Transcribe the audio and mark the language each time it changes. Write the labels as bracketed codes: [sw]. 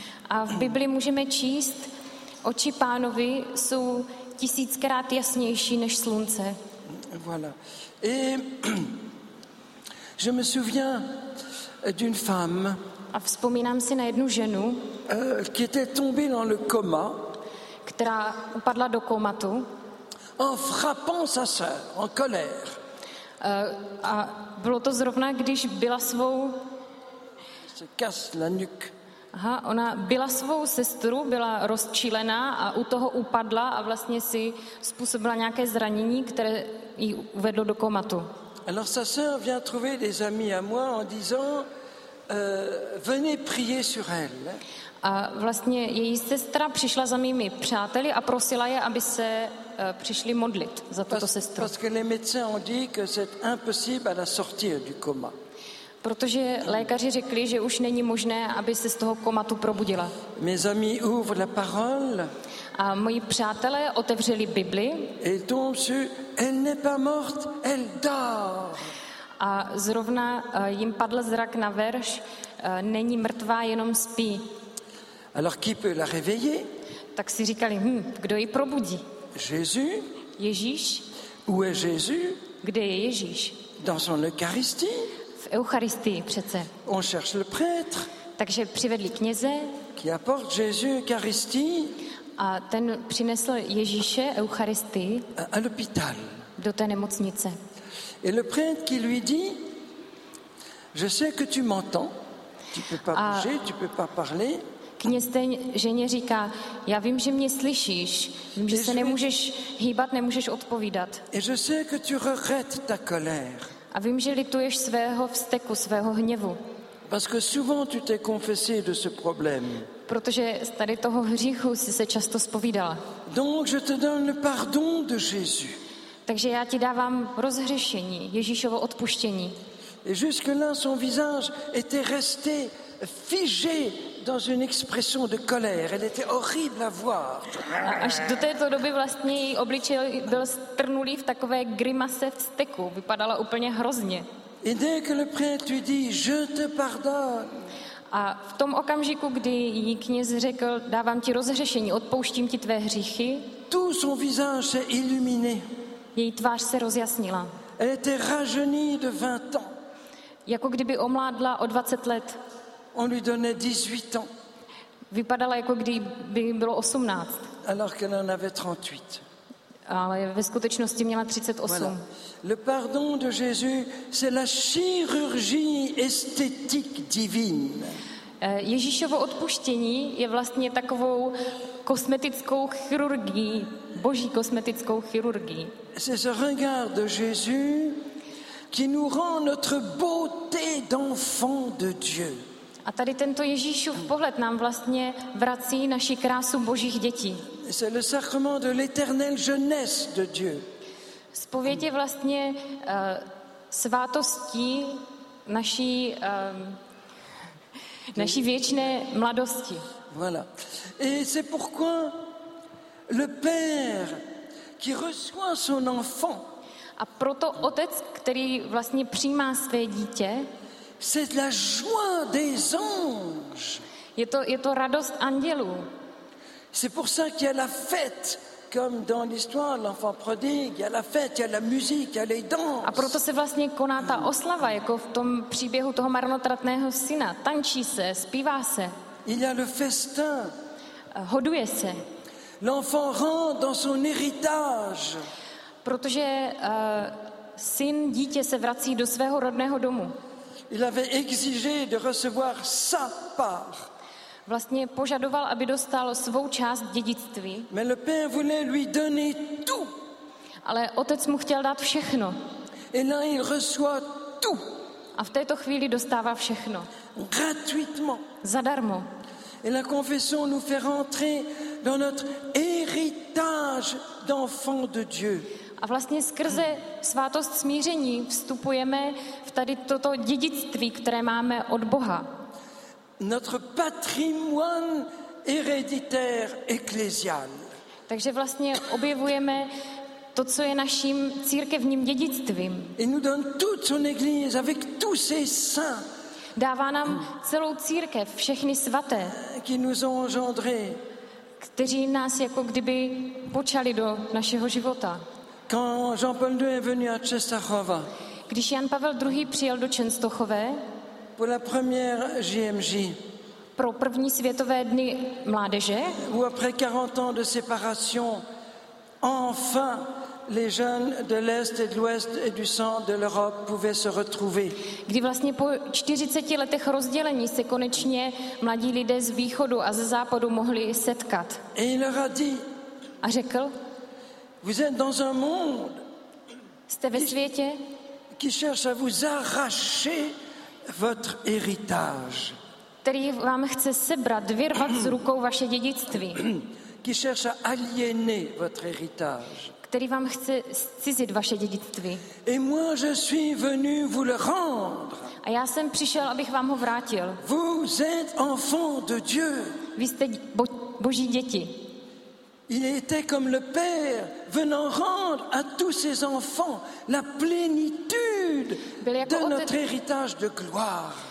[cs] A v Bibli můžeme číst, oči pánovi jsou tisíckrát jasnější než slunce. [fr] Voilà. Et je me souviens d'une femme. [cs] A vzpomínám si na jednu ženu, [fr] qui était tombée dans le coma. [cs] Která upadla do komatu. [fr] En frappant sa sœur, en colère. [cs] A bylo to zrovna, když byla svou... [fr] Se casse la nuque. [cs] Aha, ona byla svou sestru, byla rozčílená a u toho upadla a vlastně si způsobila nějaké zranění, které jí uvedlo do komatu. [fr] Alors sa sœur vient trouver des amis à moi en disant, venez prier sur elle. [cs] A vlastně její sestra přišla za mými přáteli a prosila je, aby se přišli modlit za tuto sestru. [fr] Parce que les médecins ont dit que c'est impossible à la sortir du coma. [cs] Protože lékaři řekli, že už není možné, aby se z toho komatu probudila. [fr] Mes amis ouvrent la parole. [cs] A moji přátelé otevřeli Bibli. [fr] Et tombe sur, elle n'est pas morte, elle dort. [cs] A zrovna jim padl zrak na verš, není mrtvá, jenom spí. [fr] Alors qui peut la réveiller? [cs] Tak si říkali, kdo ji probudí? [fr] Jésus? [cs] Ježíš? [fr] Où est Jésus? [cs] Kde je Ježíš? [fr] Dans son Eucharistie? [cs] V Eucharistii přece. [fr] On cherche le prêtre. [cs] Takže přivedli kněze. [fr] Qui apporte Jésus Eucharistie? [cs] A ten přinesl Ježíše Eucharistii. [fr] À l'hôpital. [cs] Do té nemocnice. [fr] Et le prêtre qui lui dit, je sais que tu m'entends, tu peux pas bouger, tu peux pas parler. [cs] Kněz té ženě říká, já vím, že mě slyšíš, vím, že se nemůžeš hýbat, nemůžeš odpovídat. [fr] Et je sais que tu regrettes ta colère. [cs] A vím, že lituješ svého vzteku, svého hněvu. [fr] Parce que souvent tu t'es confessé de ce problème. [cs] protože z tady toho hříchu si se často zpovídala. [fr] Donc je te donne le pardon de Jésus. [cs] Takže já ti dávám rozhřešení, Ježíšovo odpuštění. [fr] Et jusque-là son visage était resté figé dans une expression de colère. Elle était horrible à voir. [cs] Až do této doby vlastně její obličej byl strnulý v takové grimase vzteku. Vypadala úplně hrozně. [fr] Et dès que le prêtre lui dit, je te pardonne. [cs] A v tom okamžiku, kdy jí kněz řekl, dávám ti rozhřešení, odpouštím ti tvé hříchy, [fr] tout son visage s'est illuminé. [cs] Její tvář se rozjasnila. [fr] Elle était rajeunie de 20 ans. [cs] Jako kdyby omládla o 20 let. [fr] On lui donnait 18 ans. [cs] Vypadala, jako kdyby bylo 18. [fr] Alors qu'elle en avait 38. [cs] Ale ve skutečnosti měla 38. [fr] Voilà. Le pardon de Jésus, c'est la chirurgie esthétique divine. [cs] Ježíšovo odpuštění je vlastně takovou kosmetickou chirurgií, boží kosmetickou chirurgií. [fr] C'est ce regard de Jésus qui nous rend notre beauté d'enfant de Dieu. [cs] A tady tento Ježíšův pohled nám vlastně vrací naši krásu božích dětí. [fr] C'est le sacrement de l'éternelle jeunesse de Dieu. [cs] Spověď je vlastně svátostí naší naší věčné mladosti. [fr] Voilà. Et c'est pourquoi le père qui reçoit son enfant. [cs] A proto otec, který vlastně přijímá své dítě, [fr] c'est la joie des anges. [cs] Je to radost andělů. [fr] C'est pour ça qu'il y a la fête comme dans l'histoire l'enfant prodigue, il y a la fête, il y a la musique, il y a les danses. [cs] A proto se vlastně koná ta oslava jako v tom příběhu toho marnotratného syna. Tančí se, zpívá se. [fr] Il y a le festin. [cs] Hoduje se. [fr] L'enfant rend dans son héritage. [cs] Protože syn dítě se vrací do svého rodného domu. [fr] Il avait exigé de recevoir sa part. [cs] Vlastně požadoval, aby dostal svou část dědictví. [fr] Mais le père voulait lui donner tout. [cs] Ale otec mu chtěl dát všechno. [fr] Et là, il reçoit tout. [cs] A v této chvíli dostává všechno. [fr] Gratuitement. [cs] Zadarmo. [fr] Et la confession nous fait rentrer dans notre héritage d'enfant de Dieu. [cs] A vlastně skrze svátost smíření vstupujeme v tady toto dědictví, které máme od Boha. [fr] Notre patrimoine héréditaire ecclésial. [cs] Takže vlastně objevujeme to, co je naším církevním dědictvím. [fr] Il nous donne toute son église avec tous ses saints. [cs] Dává nám celou církev, všechny svaté, [fr] qui nous ont engendré. [cs] Kteří nás jako kdyby počali do našeho života. [fr] Quand Jean-Paul II est venu à Częstochowa. [cs] Když Jan Pavel II. Přijel do Częstochowy. [fr] Pour la première JMJ. [cs] Pro první světové dny mládeže. [fr] Où après 40 ans de séparation, enfin les jeunes de l'Est et de l'Ouest et du centre de l'Europe pouvaient se retrouver. [cs] Kdy vlastně po 40 letech rozdělení se konečně mladí lidé z východu a ze západu mohli setkat. [fr] Et il leur a dit. [cs] A řekl. [fr] Vous êtes dans un monde. [cs] Jste ve světě. [fr] Qui cherche à vous arracher votre héritage. [cs] Který vám chce sebrat, vyrvat z rukou vaše dědictví. [fr] Qui cherche à aliéner votre héritage. [cs] Který vám chce zcizit vaše dědictví. [fr] Et moi je suis venu vous le rendre. [cs] A já jsem přišel, abych vám ho vrátil. [fr] Vous êtes enfant de Dieu. [cs] Vy jste boží děti. [fr] Il était comme le père venant rendre à tous ses enfants la plénitude de notre héritage de gloire.